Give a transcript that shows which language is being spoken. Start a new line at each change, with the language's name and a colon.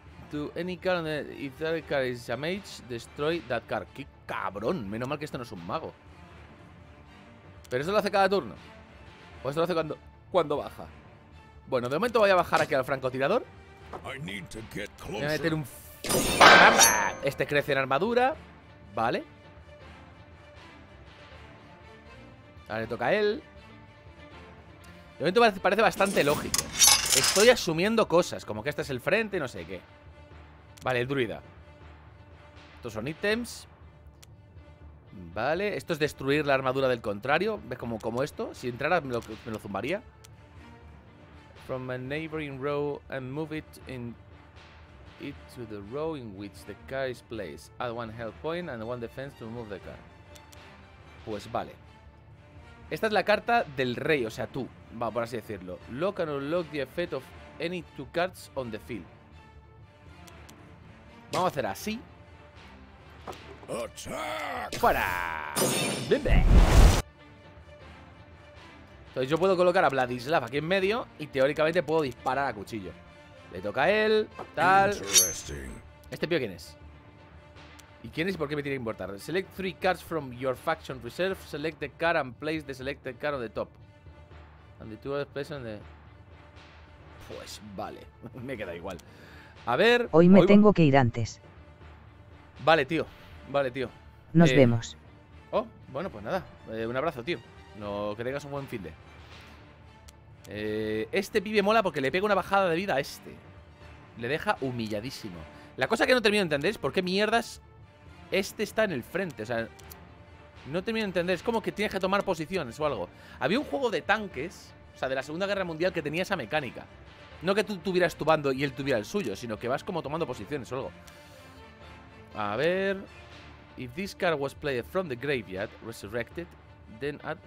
English: To any car, if that car is damaged, destroy that car.
Spanish: ¡Qué cabrón! Menos mal que esto no es un mago. ¿Pero eso lo hace cada turno? ¿O esto lo hace cuando baja? Bueno, de momento voy a bajar aquí al francotirador. Voy a meter un... Este crece en armadura. Vale. Ahora le toca a él. De momento parece bastante lógico. Estoy asumiendo cosas, como que este es el frente y no sé qué. Vale, el druida. Estos son ítems. Vale, esto es destruir la armadura del contrario. ¿Ves como esto? Si entrara me lo zumbaría.
English: From a neighboring row and move it to the row in which the car is placed. Add one health point and one defense to move the car.
Spanish: Pues vale. Esta es la carta del rey, o sea, tú. Va, por así decirlo.
English: Lock and unlock the effect of any two cards on the field. Vamos a hacer así. ¡Attack!
Spanish: ¡Fuera! ¡Bimbe! Entonces yo puedo colocar a Vladislav aquí en medio y teóricamente puedo disparar a cuchillo. Le toca a él, tal. ¿Este pío quién es? ¿Y quién es y por qué me tiene que importar?
English: Select three cards from your faction reserve. Select the card and place the selected card on the top. And the two are placed on the...
Spanish: Pues vale, me queda igual. A ver... Hoy tengo que ir antes. Vale, tío. Nos vemos. Oh, bueno, pues nada. Un abrazo, tío. No, que tengas un buen fin de... este pibe mola porque le pega una bajada de vida a este. Le deja humilladísimo. La cosa que no termino de entender es por qué mierdas... Este está en el frente, o sea... No termino de entender. Es como que tienes que tomar posiciones o algo. Había un juego de tanques, o sea, de la Segunda Guerra Mundial, que tenía esa mecánica. No que tú tuvieras tu bando y él tuviera el suyo, sino que vas como tomando posiciones o algo. A ver...
English: If this card was played from the graveyard, resurrected, then add...